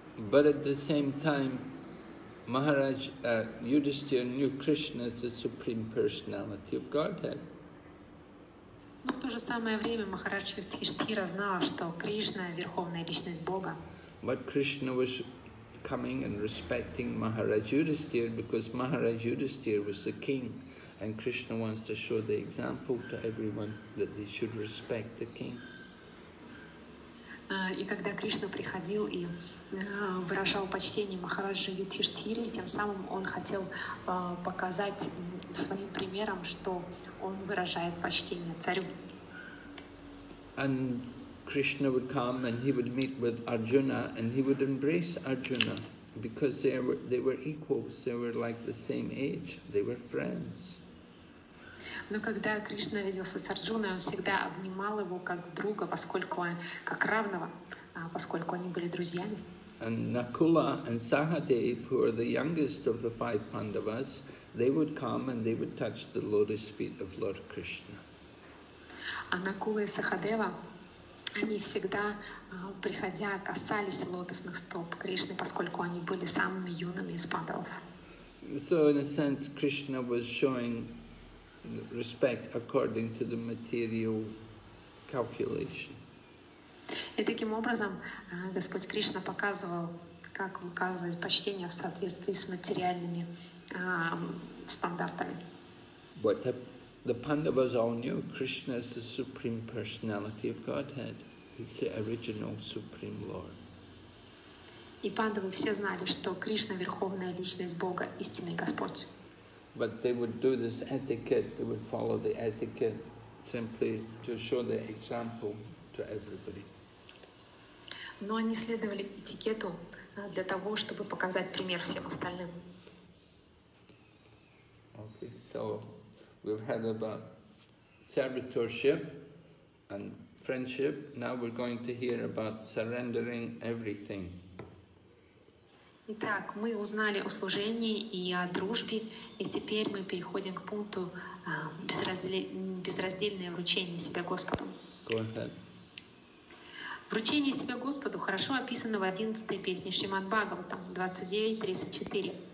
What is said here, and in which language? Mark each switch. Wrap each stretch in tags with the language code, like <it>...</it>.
<en>But at the same time, Maharaj Yudhisthira knew Krishna as the Supreme Personality of Godhead.</en> <ru>Но в то же самое время Махарадж Юдхиштхира знал, что Кришна — Верховная Личность Бога.</ru> <en>But Krishna was coming and respecting Maharaj Yudhisthira because Maharaj Yudhisthira was the king and Krishna wants to show the example to everyone that they should respect the king.</en> <ru>И когда Кришна приходил и выражал почтение Махараджу Юдхиштхире, тем самым он хотел показать своим примером, что он выражает почтение царю.</ru> <en>And Krishna would come and he would meet with Arjuna and he would embrace Arjuna because they were equals, they were like the same age, they were friends.</en> <ru>Но когда Кришна виделся с Арджуной, он всегда обнимал его как друга, поскольку он как равного, поскольку они были друзьями.</ru> <en>And Nakula and Sahadev, who are the youngest of the five Pandavas, they would come and they would touch the lotus feet of Lord Krishna.</en> <ru>А Накула и Сахадева, они всегда, приходя, касались лотосных стоп Кришны, поскольку они были самыми юными из Пандавов.</ru> <en>So in a sense, Krishna was showing respect according to the material calculation.</en> <ru>И таким образом Господь Кришна показывал, как указывать почтение в соответствии с материальными стандартами.</ru> <en>But the Pandavas all knew Krishna is the Supreme Personality of Godhead. He's the original Supreme Lord.</en> <ru>И Пандавы все знали, что Кришна — Верховная Личность Бога, истинный Господь.</ru> <en>But they would do this etiquette, they would follow the etiquette simply to show the example to everybody.</en> <ru>Но они следовали этикету для того, чтобы показать пример всем остальным.</ru> <en>Okay, so we've heard about servitorship and friendship. Now we're going to hear about surrendering everything.</en> <ru>Итак, мы узнали о служении и о дружбе, и теперь мы переходим к пункту безраздельное вручение себя Господу.</ru> <en>Go ahead.</en> <ru>Вручение себя Господу хорошо описано в 11-й песне Шримад-Бхагаватам, 29.34.</ru>